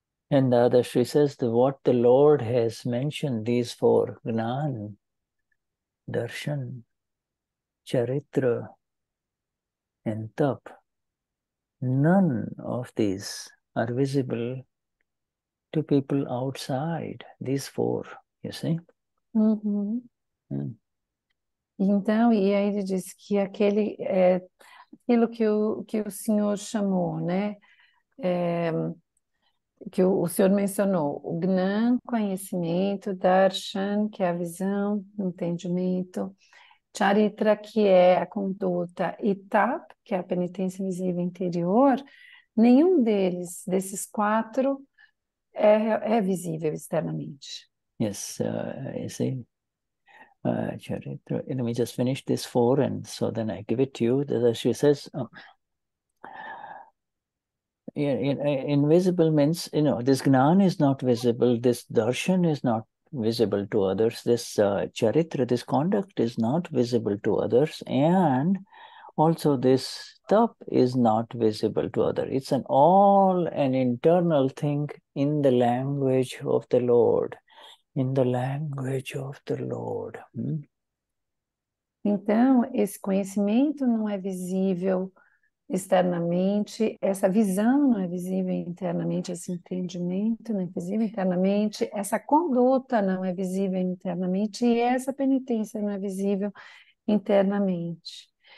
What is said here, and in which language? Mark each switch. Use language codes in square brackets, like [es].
[en] And Dadashri says that what the Lord has mentioned these four, Gnan, Darshan, Charitra, and Tap, none of these are visible to people outside, these four, you see. [pt] Então, e aí ele disse que aquele aquilo que o senhor chamou, né? Que o senhor mencionou, o Gnan, conhecimento, Darshan, que é a visão, entendimento, Charitra, que é a conduta, e Tap, que é a penitência visível interior, nenhum deles, desses quatro, é visível externamente. [en] Yes, you see, Charitra, let me just finish this four, and so then I give it to you. She says, Invisible means, you know, this Gnana is not visible, this darshan is not visible to others, this charitra, this conduct is not visible to others, and also this tap is not visible to others. It's an all an internal thing in the language of the Lord, in the language of the Lord. [pt] Então, esse conhecimento não é visível externamente, essa visão não é visível internamente, esse entendimento não é visível internamente, essa conduta não é visível internamente e essa penitência não é visível internamente.